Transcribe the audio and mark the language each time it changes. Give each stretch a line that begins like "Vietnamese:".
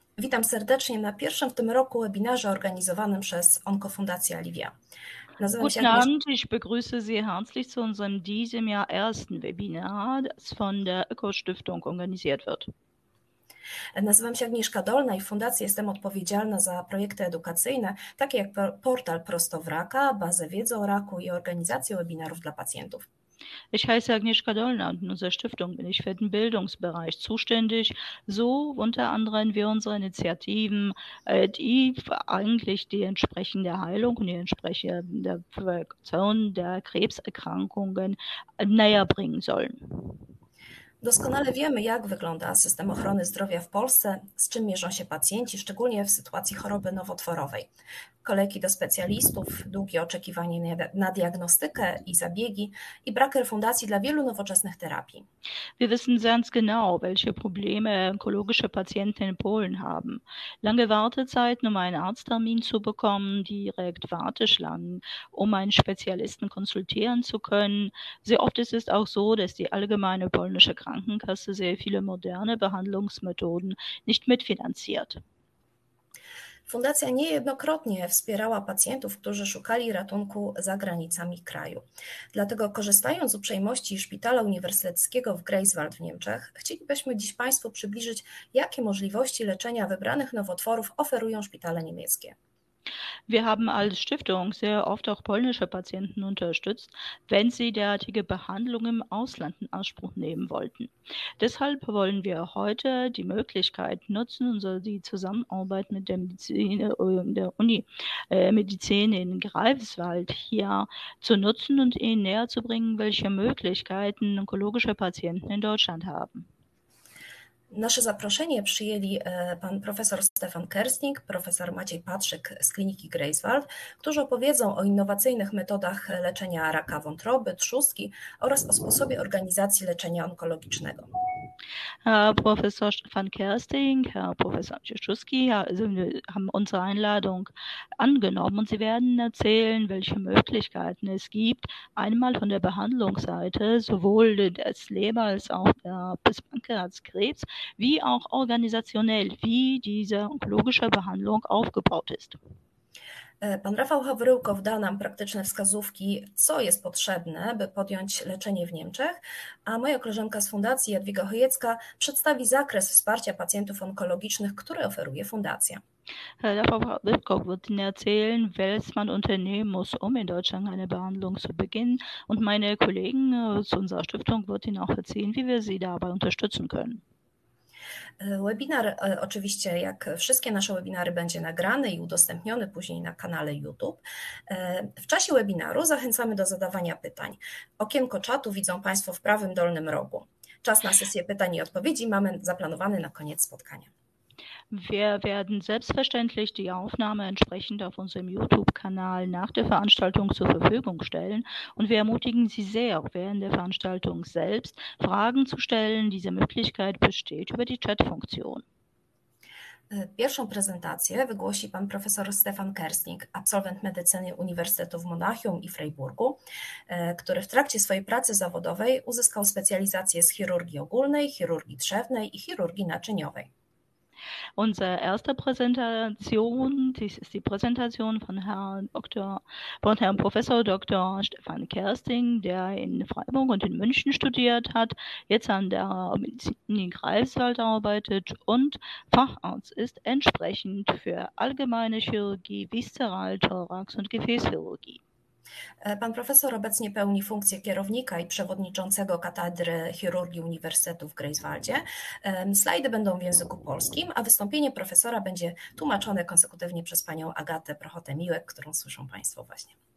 Polish: Witam serdecznie na pierwszym w tym roku webinarze organizowanym przez Onkofundację Alivia. Nazywam się
German: Guten
Polish: Agnieszka.
German: Abend, ich begrüße Sie herzlich zu unserem diesem Jahr ersten Webinar, das von der Öko-Stiftung organisiert wird.
Polish: Nazywam się Agnieszka Dolna i w fundacji jestem odpowiedzialna za projekty edukacyjne, takie jak portal Prosto w Raka, bazę wiedzy o raku i organizację webinarów dla pacjentów.
German: Ich heiße Agnieszka Dollner und in unserer Stiftung bin ich für den Bildungsbereich zuständig, so unter anderem wie unsere Initiativen, die eigentlich die entsprechende Heilung und die entsprechende Prävention der Krebserkrankungen näher bringen sollen.
Polish: Doskonale wiemy, jak wygląda system ochrony zdrowia w Polsce, z czym mierzą się pacjenci, szczególnie w sytuacji choroby nowotworowej. Kolejki do specjalistów, długie oczekiwanie na diagnostykę i zabiegi i brak refundacji dla wielu nowoczesnych terapii.
German: Wir wissen ganz genau, welche Probleme onkologische Patienten in Polen haben. Lange Wartezeiten, um einen Arzttermin zu bekommen, direkt Warteschlangen, um einen Spezialisten konsultieren zu können. Sehr oft ist es auch so, dass die allgemeine polnische Krankenkasse sehr viele moderne Behandlungsmethoden nicht mitfinanziert.
Polish: Fundacja niejednokrotnie wspierała pacjentów, którzy szukali ratunku za granicami kraju. Dlatego, korzystając z uprzejmości Szpitala Uniwersyteckiego w Greifswald w Niemczech, chcielibyśmy dziś Państwu przybliżyć, jakie możliwości leczenia wybranych nowotworów oferują szpitale niemieckie.
German: Wir haben als Stiftung sehr oft auch polnische Patienten unterstützt, wenn sie derartige Behandlung im Ausland in Anspruch nehmen wollten. Deshalb wollen wir heute die Möglichkeit nutzen, unsere die Zusammenarbeit mit der Medizin, der Uni, Medizin in Greifswald hier zu nutzen und Ihnen näher zu bringen, welche Möglichkeiten onkologische Patienten in Deutschland haben.
Polish: Nasze zaproszenie przyjęli pan profesor Stefan Kersting, profesor Maciej Patrzyk z kliniki Greifswald, którzy opowiedzą o innowacyjnych metodach leczenia raka wątroby, trzustki oraz o sposobie organizacji leczenia onkologicznego.
German: Herr Professor van Kersting, Herr Professor Czuski, haben unsere Einladung angenommen und Sie werden erzählen, welche Möglichkeiten es gibt, einmal von der Behandlungsseite, sowohl des Leber- als auch der, des Pankreaskrebs, wie auch organisationell, wie diese onkologische Behandlung aufgebaut ist.
Polish: Pan Rafał Hawryłkow da nam praktyczne wskazówki, co jest potrzebne, by podjąć leczenie w Niemczech, a moja koleżanka z fundacji, Jadwiga Chojecka, przedstawi zakres wsparcia pacjentów onkologicznych, który oferuje fundacja.
German: Herr Wittkopf wird Ihnen erzählen, was man unternehmen muss, um in Deutschland eine Behandlung zu beginnen. Und meine Kollegen zu unserer Stiftung wird Ihnen auch erzählen, wie wir Sie dabei unterstützen können.
Polish: Webinar oczywiście, jak wszystkie nasze webinary, będzie nagrany i udostępniony później na kanale YouTube. W czasie webinaru zachęcamy do zadawania pytań. Okienko czatu widzą Państwo w prawym dolnym rogu. Czas na sesję pytań i odpowiedzi mamy zaplanowany na koniec spotkania.
German: Wir werden selbstverständlich die Aufnahme entsprechend auf unserem YouTube-Kanal nach der Veranstaltung zur Verfügung stellen und wir ermutigen Sie sehr, auch während der Veranstaltung selbst Fragen zu stellen. Diese Möglichkeit besteht über die Chat-Funktion.
Polish: Pierwszą prezentację wygłosi pan profesor Stefan Kersting, absolwent medycyny Uniwersytetu w Monachium i Freiburgu, który w trakcie swojej pracy zawodowej uzyskał specjalizację z chirurgii ogólnej, chirurgii trzewnej i chirurgii naczyniowej.
German: Unsere erste Präsentation, dies ist die Präsentation von Herrn Doktor, von Herrn Professor Dr. Stefan Kersting, der in Freiburg und in München studiert hat, jetzt an der Medizin in Greifswald arbeitet und Facharzt ist entsprechend für allgemeine Chirurgie, Viszeral, Thorax und Gefäßchirurgie.
Polish: Pan profesor obecnie pełni funkcję kierownika i przewodniczącego katedry chirurgii Uniwersytetu w Greifswaldzie. Slajdy będą w języku polskim, a wystąpienie profesora będzie tłumaczone konsekutywnie przez panią Agatę Prochotę-Miłek, którą słyszą państwo właśnie.